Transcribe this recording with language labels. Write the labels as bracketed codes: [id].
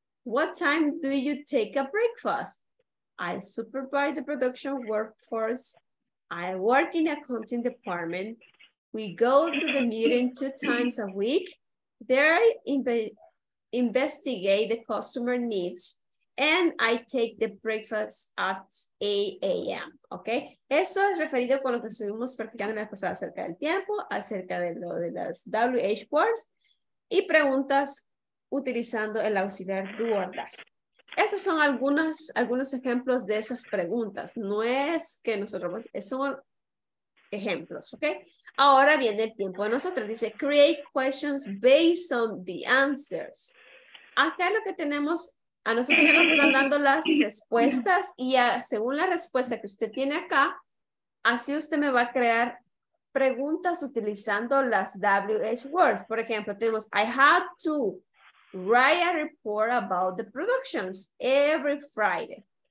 [en] What time do you take a breakfast? I supervise the production workforce. I work in the accounting department. We go to the meeting 2 times a week. There I investigate the customer needs. And I take the breakfast at 8 a.m., okay? [es] Eso es referido con lo que estuvimos practicando la pasada acerca del tiempo, acerca de lo de las WH words y preguntas utilizando el auxiliar do or does. Estos son algunos ejemplos de esas preguntas. No es que nosotros, son ejemplos, okay? Ahora viene el tiempo de nosotros. Dice, [en] create questions based on the answers. [es] Acá lo que tenemos... A nosotros nos están dando las respuestas y según la respuesta que usted tiene acá, así usted me va a crear preguntas utilizando las WH words. Por ejemplo, tenemos, [en] I have to write a report about the productions every Friday.